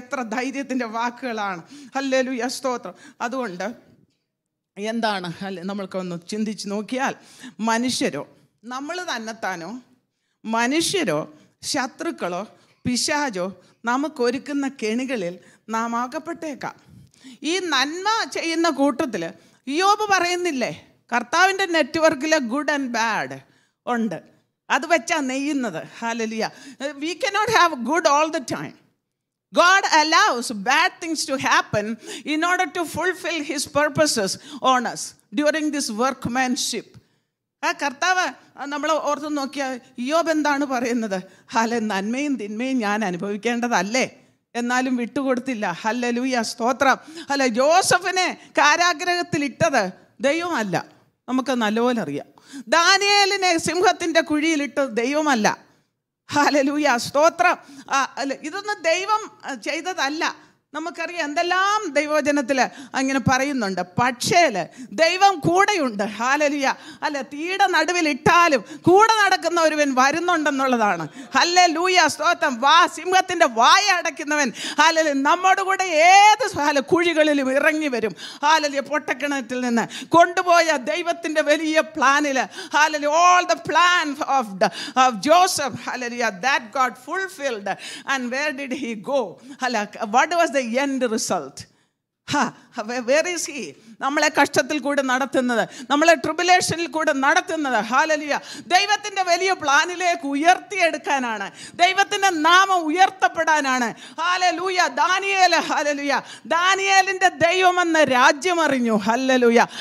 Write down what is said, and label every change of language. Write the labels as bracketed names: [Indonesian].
[Malayalam] എത്ര ധൈര്യത്തിൻ്റെ വാക്കുകളാണ് ഹല്ലേലൂയ സ്തോത്രം. അതുകൊണ്ട് എന്താണ് അല്ലെ, നമ്മൾക്കൊന്ന് ചിന്തിച്ച് നോക്കിയാൽ മനുഷ്യരോ നമ്മൾ തന്നെത്താനോ മനുഷ്യരോ ശത്രുക്കളോ പിശാചോ നമുക്കൊരുക്കുന്ന കെണികളിൽ നാം ആകപ്പെട്ടേക്കാം. ഈ നന്മ ചെയ്യുന്ന കൂട്ടത്തിൽ ഇയോബ് പറയുന്നില്ലേ, കർത്താവിൻ്റെ നെറ്റ്വർക്കിലെ ഗുഡ് ആൻഡ് ബാഡ് ഉണ്ട്, അത് വെച്ചാണ് നെയ്യുന്നത്. [English] Hallelujah. We can not have good all the time. God allows bad things to happen in order to fulfill his purposes on us during this workmanship. [Malayalam] ആ കർത്താവ് നമ്മൾ ഓർത്ത് നോക്കിയാൽ ഇയോബ് എന്താണ് പറയുന്നത്, ഹല്ലേ നന്മയും തിന്മയും ഞാൻ അനുഭവിക്കേണ്ടതല്ലേ, എന്നാലും വിട്ടുകൊടുത്തില്ല. ഹല്ലേലൂയ സ്തോത്രം. ഹല്ലേ, ജോസഫിനെ കാരാഗ്രഹത്തിലിട്ടത് ദൈവമല്ല, നമുക്ക് നല്ലപോലെ അറിയാം. ദാനിയേലിനെ സിംഹത്തിൻ്റെ കുഴിയിലിട്ടത് ദൈവമല്ല. ഹല്ലേലൂയ സ്തോത്രം. അല്ല, ഇതൊന്നും ദൈവം ചെയ്തതല്ല. നമുക്കറിയാം എന്തെല്ലാം ദൈവവചനത്തിൽ അങ്ങനെ പറയുന്നുണ്ട്, പക്ഷേ ദൈവം കൂടെയുണ്ട്. ഹല്ലേലൂയ. അല്ല, തീയുടെ നടുവിലിട്ടാലും കൂടെ നടക്കുന്ന ഒരുവൻ വരുന്നുണ്ടെന്നുള്ളതാണ്. ഹല്ലേലൂയ സ്തോത്രം. വാ, സിംഹത്തിൻ്റെ വായ അടയ്ക്കുന്നവൻ ഹല്ലേലൂയ നമ്മോടുകൂടെ ഏത് കുഴികളിലും ഇറങ്ങി വരും. ഹല്ലേലൂയ, പൊട്ടക്കിണറ്റിൽ നിന്ന് കൊണ്ടുപോയ ദൈവത്തിൻ്റെ വലിയ പ്ലാനിൽ hallelujah, [English] All the plan of Joseph hallelujah that God fulfilled. And where did he go? അല്ല, what was the end result? Ha, where is he? [Malayalam] നമ്മളെ കഷ്ടത്തിൽ കൂടെ നടത്തുന്നത്, നമ്മളെ ട്രിബുലേഷനിൽ കൂടെ നടത്തുന്നത് ഹല്ലേലൂയ ദൈവത്തിൻ്റെ വലിയ പ്ലാനിലേക്ക് ഉയർത്തിയെടുക്കാനാണ്, ദൈവത്തിൻ്റെ നാമം ഉയർത്തപ്പെടാനാണ്. Hallelujah Daniel, hallelujah ദാനിയേലിൻ്റെ ദൈവമെന്ന രാജ്യമറിഞ്ഞു. ഹല്ലേലൂയ.